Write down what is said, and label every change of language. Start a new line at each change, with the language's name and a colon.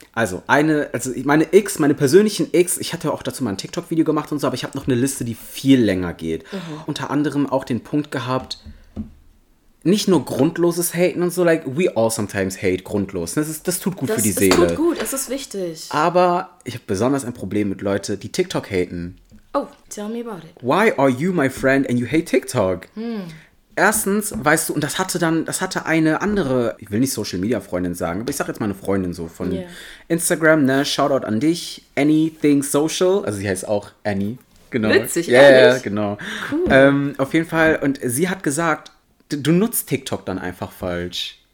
German: Also meine X, meine persönlichen X, ich hatte auch dazu mal ein TikTok-Video gemacht und so, aber ich habe noch eine Liste, die viel länger geht. Uh-huh. Unter anderem auch den Punkt gehabt... Nicht nur grundloses Haten und so, like, we all sometimes hate grundlos. Das tut gut für die Seele. Das tut gut, das ist wichtig. Aber ich habe besonders ein Problem mit Leuten, die TikTok haten.
English: Oh, tell me about it. Why are you my friend and you hate TikTok?
German: Erstens, weißt du, und das hatte eine andere, ich will nicht Social-Media-Freundin sagen, aber ich sag jetzt mal eine Freundin so von Instagram, ne, Shoutout an dich, Anything Social, also sie heißt auch Annie, genau. Witzig, yeah, ehrlich. Ja, genau. Cool. Auf jeden Fall, und sie hat gesagt, du nutzt TikTok dann einfach falsch.